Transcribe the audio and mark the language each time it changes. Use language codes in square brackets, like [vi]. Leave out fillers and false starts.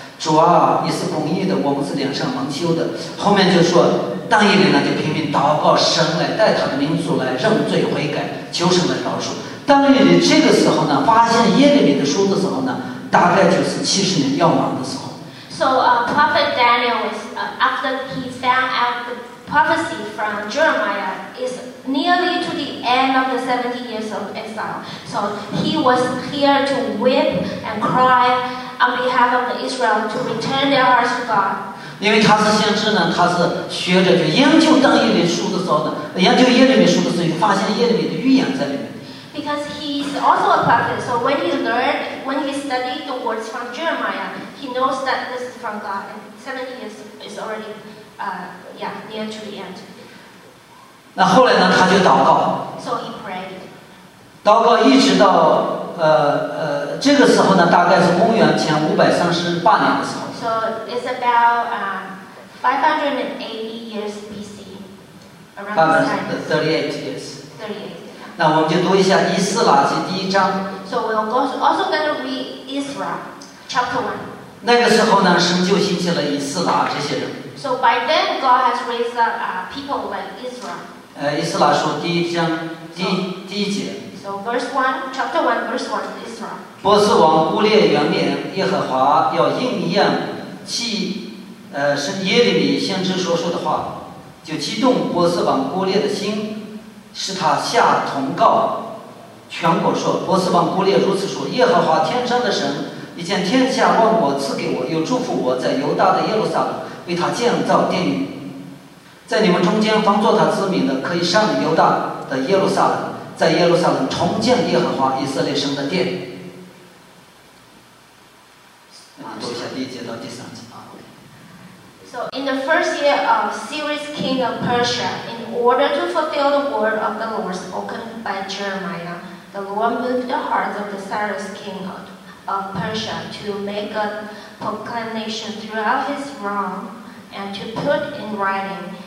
[zh] 主啊，你是公义的，我们是脸上蒙羞的。后面就说，但以理呢就拼命祷告神来带他的民族来认罪悔改，求神来饶恕。但以理这个时候呢，发现耶利米的书的时候呢，大概就是70年要亡的时候。 [en] So Prophet Daniel was after he found out the prophecy from Jeremiah is nearly to the end of the 70 years of exile. So he was here to weep and cry. On behalf of Israel to return their hearts to God. [zh] 因为他是先知呢，他是学者，就研究但以理书的时候呢，研究耶利米书的时候，发现耶利米的预言在里面。 [en] Because he is also a prophet, so when he learned, when he studied the words from Jeremiah, he knows that this is from God, and 70 years is already, near to the end. [zh] 那后来呢，他就祷告。 [en] So he prayed. [zh] 祷告一直到。这个时候呢，大概是公元前538年的时候。 [en] So it's about 580 years BC, around this time. 538 years. 38. [zh] 那我们就读一下《以斯拉记》第一章。 [en] So we're also going to read Isra, chapter 1. [zh] 那个时候呢，神就兴起了以斯拉这些人。 [en] So by then, God has raised up people like Isra. [zh] 以斯拉书第一章第一节。 [en] So verse 1, chapter 1, verse 1, Isra. [zh] 波斯王乌列元年，耶和华要应验祭，是耶利米先知所说的话，就激动波斯王乌列的心，使他下同告全国说，波斯王乌列如此说，耶和华天上的神已将天下万国赐给我，又祝福我在犹大的耶路撒冷为他建造殿宇，在你们中间方作他子民的可以上犹大的耶路撒冷，在耶路撒冷重建耶和华以色列神的殿。读一下第一节到第三节。 [en] So in the first year of Cyrus king of Persia, in order to fulfill the word of the Lord spoken by Jeremiah, the Lord moved the hearts of the Cyrus king of Persia to make a proclamation throughout his realm and to put in writing.